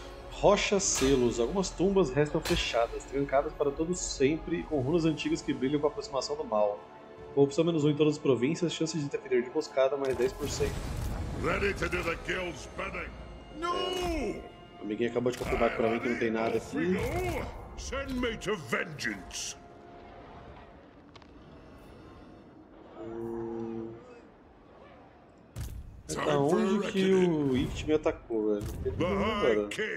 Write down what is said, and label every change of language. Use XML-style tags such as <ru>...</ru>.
<pt>Rochas selos, algumas tumbas restam fechadas, trancadas para todos sempre, com runas antigas que brilham com a aproximação do mal. Corrupção menos um em todas as províncias, chances de interferir de emboscada mais 10%.</pt> <en>Ready to do the guild's bidding? No!</en> <pt>Amiguinho acabou de confirmar para mim que não tem nada aqui.</pt> <en>Send me to vengeance.</en> <pt>Da onde que o Ikti me atacou, velho? Não tem nenhum, cara.</pt>